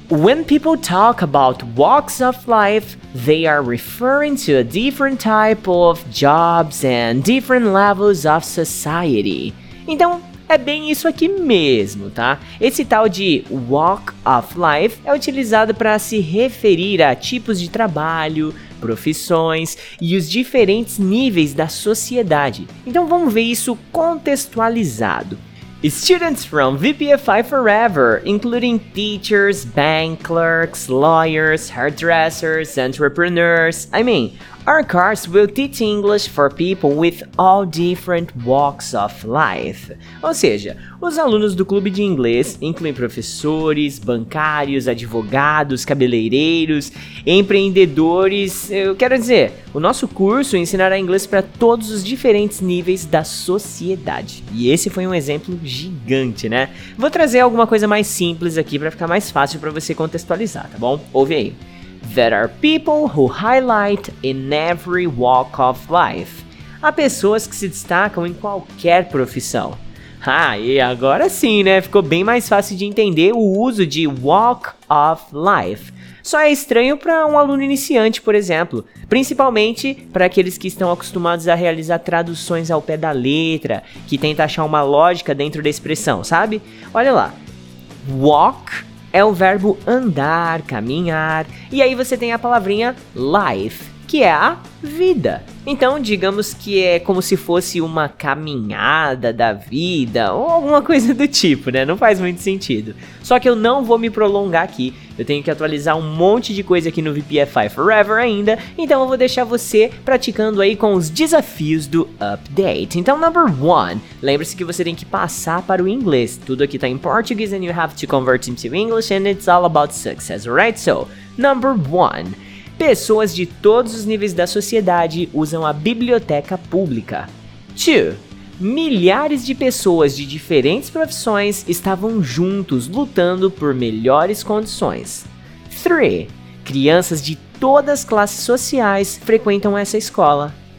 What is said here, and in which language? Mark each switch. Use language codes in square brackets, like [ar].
[en] When people talk about walks of life, they are referring to a different type of jobs and different levels of society. [pt] Então, é bem isso aqui mesmo, tá? Esse tal de walk of life é utilizado para se referir a tipos de trabalho, profissões e os diferentes níveis da sociedade. Então, vamos ver isso contextualizado. [en] Students from VIPify Forever, including teachers, bank clerks, lawyers, hairdressers, entrepreneurs, I mean, our course will teach English for people with all different walks of life. [pt] Ou seja, os alunos do clube de inglês incluem professores, bancários, advogados, cabeleireiros, empreendedores. Eu quero dizer, o nosso curso ensinará inglês para todos os diferentes níveis da sociedade. E esse foi um exemplo gigante, né? Vou trazer alguma coisa mais simples aqui para ficar mais fácil para você contextualizar, tá bom? Ouve aí. [en] There are people who highlight in every walk of life. [pt] Há pessoas que se destacam em qualquer profissão. Ah, e agora sim, né? Ficou bem mais fácil de entender o uso de walk of life. Só é estranho para um aluno iniciante, por exemplo. Principalmente para aqueles que estão acostumados a realizar traduções ao pé da letra, que tenta achar uma lógica dentro da expressão, sabe? Olha lá. Walk é o verbo andar, caminhar, e aí você tem a palavrinha life, que é a vida. Então, digamos que é como se fosse uma caminhada da vida, ou alguma coisa do tipo, né? Não faz muito sentido. Só que eu não vou me prolongar aqui, eu tenho que atualizar um monte de coisa aqui no VIPify Forever ainda, então eu vou deixar você praticando aí com os desafios do update. Então, [en] number one, [pt] lembre-se que você tem que passar para o inglês. Tudo aqui tá em português [en] and you have to convert into English and it's all about success, right? So, number one. [pt] Pessoas de todos os níveis da sociedade usam a biblioteca pública. 2. Milhares de pessoas de diferentes profissões estavam juntos lutando por melhores condições. 3. Crianças de todas as classes sociais frequentam essa escola.